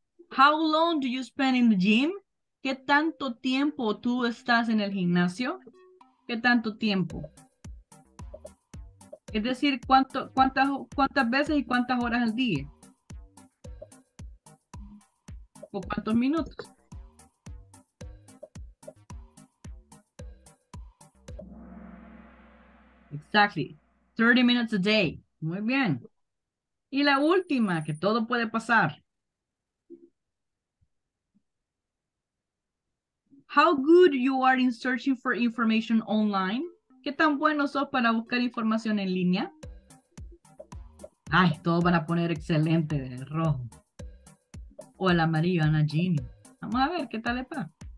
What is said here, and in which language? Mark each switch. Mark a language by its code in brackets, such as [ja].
[en] How long do you spend in the gym? [es] ¿Qué tanto tiempo tú estás en el gimnasio? ¿Qué tanto tiempo? Es decir, ¿cuántas veces y cuántas horas al día? ¿O cuántos minutos? [en] Exactly. 30 minutes a day. [es] Muy bien. Y la última, que todo puede pasar. [en] How good you are in searching for information online? [es] ¿Qué tan bueno sos para buscar información en línea? Ay, todos van a poner excelente de rojo. O el amarillo, Ana Gini. Vamos a ver, ¿qué tal es para?